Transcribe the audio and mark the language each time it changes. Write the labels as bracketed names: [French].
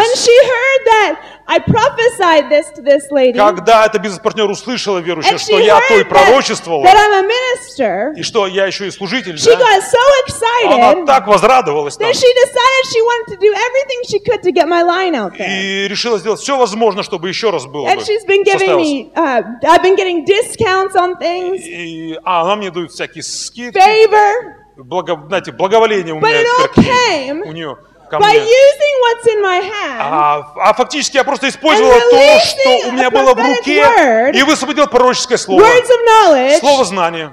[English] When she heard that I prophesied this to this lady, [Russian] когда эта бизнес-партнер услышала верующая, что я той пророчествовал, [English] that I'm a minister, [Russian] и что я еще и служитель, [English] she got so excited, [Russian] она так возрадовалась там. [English] That she decided she wanted to do everything she could to get my line out there. [Russian] И решила сделать все возможное, чтобы еще раз было [English] And She's been giving me, I've been getting discounts on things. [Russian] Она мне дает всякие скидки. [English] Favor. [Russian] Знаете, благоволение у меня. [English] But it all came [Russian] у нее ко мне. [English] By using what's in my hand. [Russian] А фактически я просто использовал то, что у меня было в руке, и высвободил пророческое слово. [English] Words of knowledge. [Russian] Слово знания.